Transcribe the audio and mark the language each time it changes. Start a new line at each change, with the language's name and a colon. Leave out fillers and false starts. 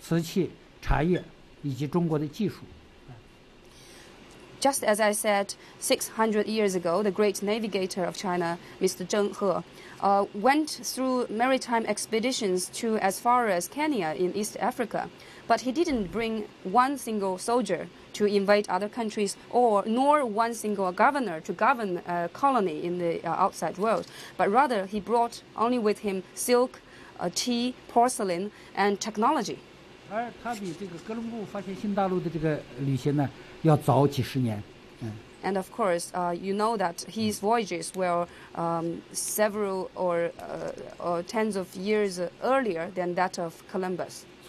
Chinese: 我刚才举的例子，我们600多年前，伟大的航海家郑和西下西洋，曾经远到过东非的肯尼亚，但他没有带一个士兵，没有带一个总督，他带去的是丝绸、瓷器、茶叶以及中国的技术。
English: Just as I said, 600 years ago, the great navigator of China, Mr. Zheng He, went through maritime expeditions to as far as Kenya in East Africa, but he didn't bring one single soldier to invade other countries, nor one single governor to govern a colony in the outside world, but rather he brought only with him silk, tea, porcelain, and technology.
Chinese: 而他比这个哥伦布发现新大陆的这个旅行呢， 要早几十年。
English: And of course, you know that his voyages were several or tens of years earlier than that of Columbus.